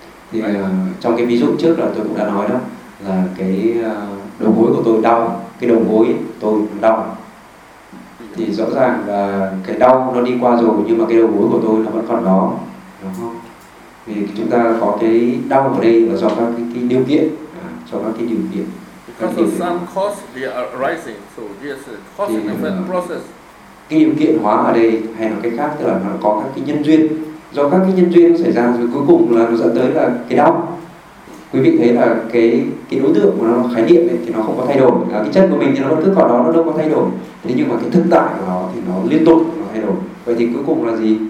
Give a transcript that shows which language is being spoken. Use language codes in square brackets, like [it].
[vi] Thì trong cái ví dụ trước là tôi cũng đã nói đó, là cái đầu gối của tôi đau, cái đầu gối tôi đau. Thì rõ ràng là cái đau nó đi qua rồi nhưng mà cái đầu gối của tôi nó vẫn còn đó, đúng không? Vì chúng ta có cái đau ở đây là do các cái điều kiện, do các cái điều kiện. [en] Because of some cause we are arising, so yes, cause and effect process. [vi] Cái điều kiện hóa ở đây hay là cái khác, tức là nó có các cái nhân duyên. Do các cái nhân duyên xảy ra rồi cuối cùng là nó dẫn tới là cái đau. Quý vị thấy là cái đối tượng của nó, khái niệm ấy, thì nó không có thay đổi. À, cái chân của mình thì nó vẫn cứ còn đó, nó đâu có thay đổi. Thế nhưng mà cái thực tại của nó thì nó liên tục, nó thay đổi. Vậy thì cuối cùng là gì?